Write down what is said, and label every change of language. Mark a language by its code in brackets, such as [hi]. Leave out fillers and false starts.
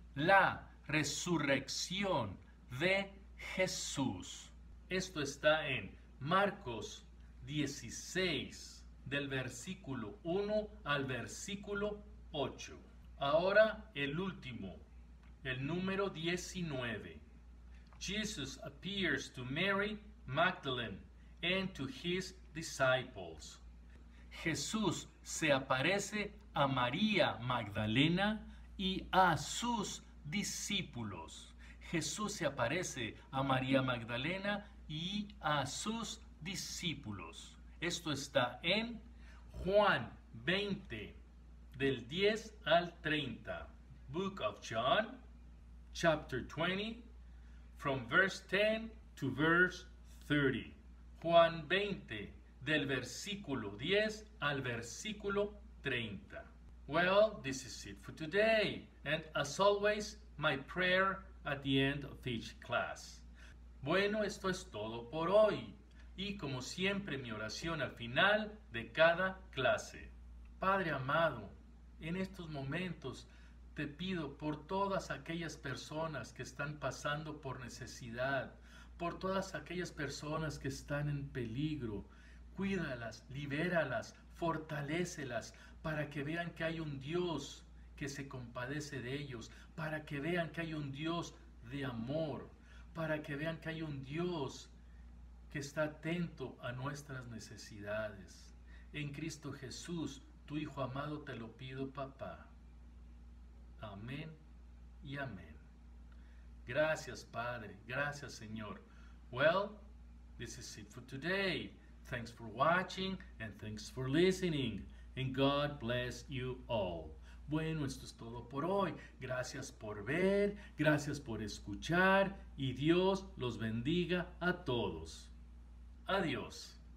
[es] La resurrección de Jesús. Esto está en Marcos 16, del versículo 1 al versículo 8. Ahora el último, el número 19. [en] Jesus appears to Mary Magdalene and to his disciples. [es] Jesús se aparece a María Magdalena y a sus discípulos. Jesús se aparece a María Magdalena y a sus discípulos. Esto está en Juan 20, del 10 al 30. [en] Book of John, chapter 20, from verse 10 to verse 30. [es] Juan 20, del versículo 10 al versículo 30. [en] Well, this is it for today. And as always, my prayer at the end of each class. [es] Bueno, esto es todo por hoy. Y como siempre, mi oración al final de cada clase. Padre amado, en estos momentos te pido por todas aquellas personas que están pasando por necesidad, por todas aquellas personas que están en peligro. Cuídalas, libéralas, fortalécelas para que vean que hay un Dios que se compadece de ellos, para que vean que hay un Dios de amor, para que vean que hay un Dios que está atento a nuestras necesidades. En Cristo Jesús, Tu Hijo amado te lo pido, papá. Amén y amén. Gracias, Padre. Gracias, Señor. [en] Well, this is it for today. Thanks for watching and thanks for listening. And God bless you all. [es] Bueno, esto es todo por hoy. Gracias por ver, gracias por escuchar y Dios los bendiga a todos. Adiós.